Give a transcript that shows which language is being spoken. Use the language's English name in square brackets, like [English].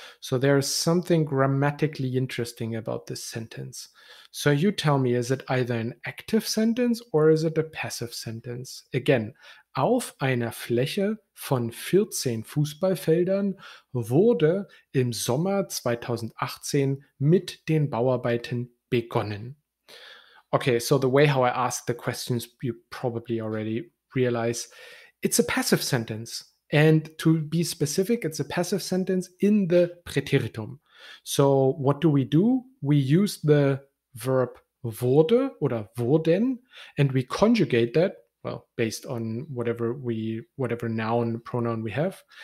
[English] So there is something grammatically interesting about this sentence. So you tell me, is it either an active sentence or is it a passive sentence? Again, [German] auf einer Fläche von 14 Fußballfeldern wurde im Sommer 2018 mit den Bauarbeiten begonnen. [English] Okay, so the way how I ask the questions, you probably already realize it's a passive sentence. And to be specific, it's a passive sentence in the preteritum. So what do? We use the verb [German] wurde oder wurden [English] and we conjugate that, well, based on whatever noun, pronoun we have.